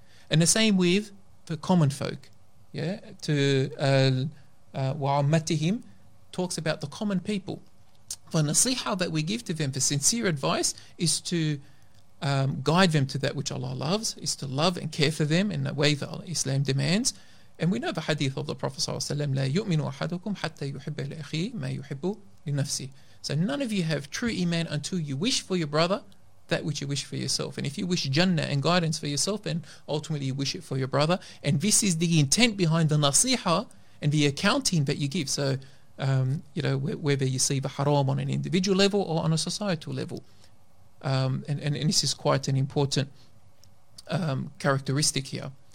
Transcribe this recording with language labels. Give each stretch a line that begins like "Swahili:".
English: And the same with the common folk. Yeah, to wa'ammatihim talks about the common people. The nasiha that we give to them, the sincere advice, is to guide them to that which Allah loves, is to love and care for them in the way that Islam demands. And we know the hadith of the Prophet ﷺ,
Arabic: لا يؤمن أحدكم حتى يحب لأخي ما يحب لنفسه.
English: So none of you have true iman until you wish for your brother that which you wish for yourself. And if you wish Jannah and guidance for yourself, then ultimately you wish it for your brother. And this is the intent behind the nasiha and the accounting that you give. So you know, whether you see the haram on an individual level or on a societal level, and this is quite an important characteristic here.